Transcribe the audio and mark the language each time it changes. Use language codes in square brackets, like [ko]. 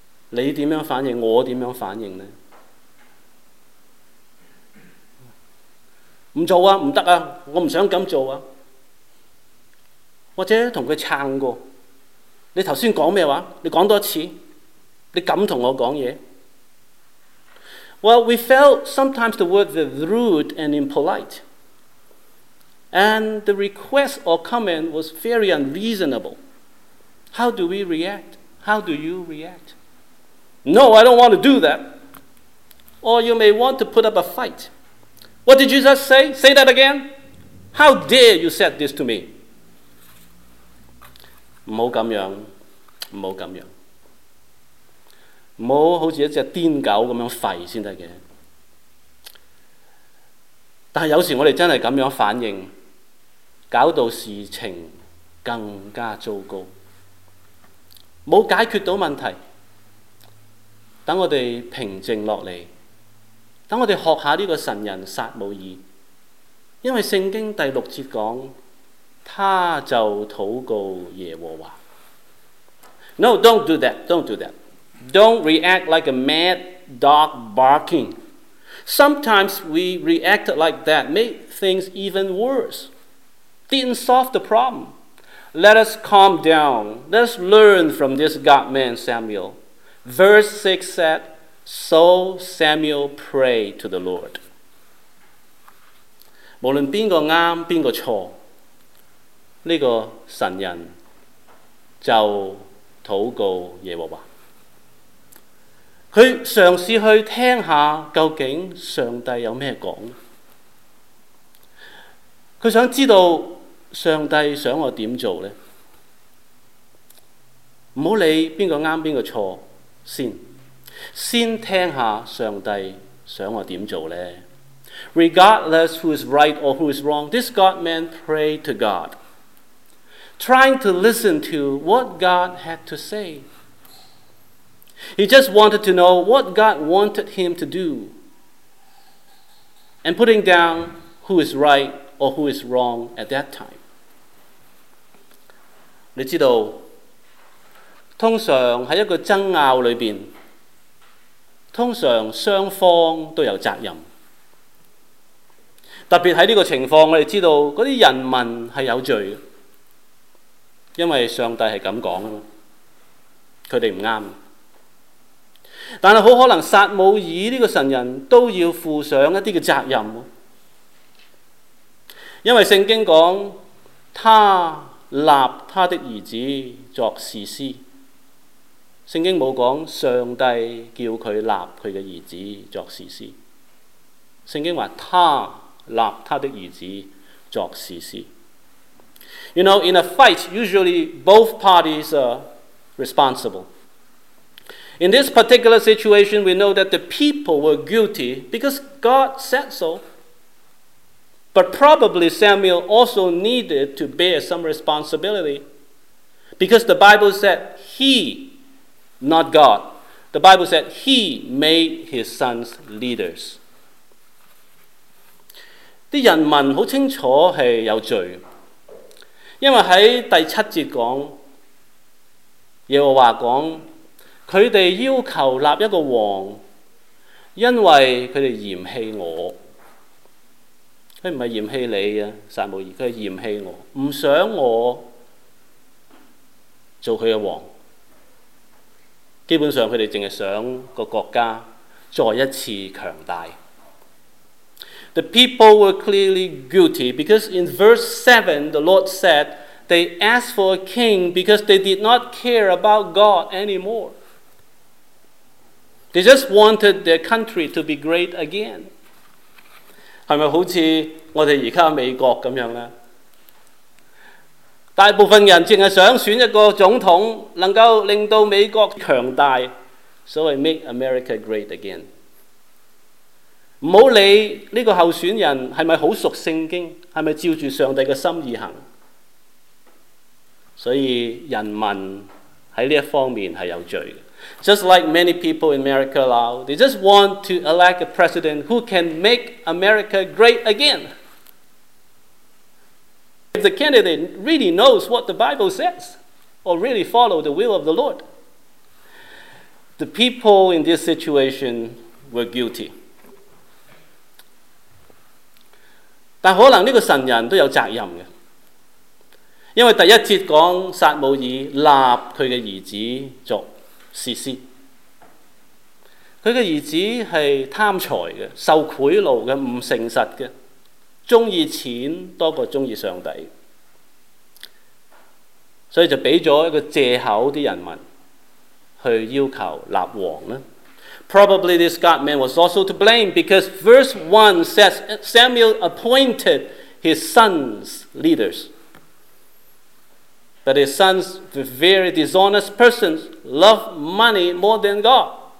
[yue] 你点样反应？我点样反应呢？唔做啊，唔得啊，我唔想咁做啊。或者同佢撑过，你头先讲咩话？你讲多一次，你咁同我讲嘢。 [en] Well, we felt sometimes the words were rude and impolite. And the request or comment was very unreasonable. How do we react? How do you react? No, I don't want to do that. Or you may want to put up a fight. What did Jesus say? Say that again. How dare you say this to me? [yue] 唔好咁样，唔好咁样。不要好像一隻癲狗那樣吠才行，但有時我們真的這樣反應，搞到事情更加糟糕，沒有解決到問題。讓我們平靜下來，讓我們學下這個神人撒母耳，因為聖經第六節說他就禱告耶和華。 [en] No, don't do that, don't do thatDon't react like a mad dog barking. Sometimes we react like that, make things even worse. Didn't solve the problem. Let us calm down. Let's learn from this God man, Samuel. Verse 6 said, So Samuel prayed to the Lord. [yue] 无论边个啱边个错，这个神人就祷告耶和华。他尝试去听下究竟上帝有什么说，他想知道上帝想我怎么做呢？不要理会谁对谁错，先听下上帝想我怎么做呢。 [en] Regardless who is right or who is wrong, this God man prayed to God, trying to listen to what God had to say. He just wanted to know what God wanted him to do. And putting down who is right or who is wrong at that time. [yue] 你知道，通常在一个争拗里面，通常双方都有责任。特别在这个情况，我们知道那些人民是有罪的，因为上帝是这样说的，他们不对。但是很可能撒母耳这个神人都要负上一些责任，因为圣经说他立他的儿子作士师，圣经没说上帝叫他立他的儿子作士师，圣经说他立他的儿子作士师。 [en] You know, in a fight, usually both parties are responsible. In this particular situation, we know that the people were guilty because God said so. But probably Samuel also needed to bear some responsibility, because the Bible said he, not God, the Bible said he made his sons leaders. [yue] 人民很清楚是有罪，因为在第七节讲，耶和华讲，他们要求立一个王，因为他们嫌弃我。他不是嫌弃你啊，撒母耳，他是嫌弃我，不想我做他的王。基本上他们只是想个国家再一次强大。 [en] The people were clearly guilty because in verse 7, the Lord said they asked for a king because they did not care about God anymore. They just wanted their country to be great again. [yue] 是不是好像我们现在美国这样呢？大部分人只是想选一个总统能够令到美国强大，所以 [en] make America great again。 [yue] 不要理这个候选人是不是很熟圣经，是不是照着上帝的心意行。所以人民在这方面是有罪的。 [en] Just like many people in America now, they just want to elect a president who can make America great again. If the candidate really knows what the Bible says, or really follow the will of the Lord. The people in this situation were guilty. [yue] 但可能这个神人都有责任的，因为第一节讲撒母耳立他的儿子作士师，他的儿子是贪财的，受贿赂的，不诚实的，喜欢钱多过喜欢上帝，所以就给了一个借口的人民去要求立王。 [en] Probably this God man was also to blame because verse 1 says Samuel appointed his sons leaders. But his sons, the very dishonest persons, loved money more than God.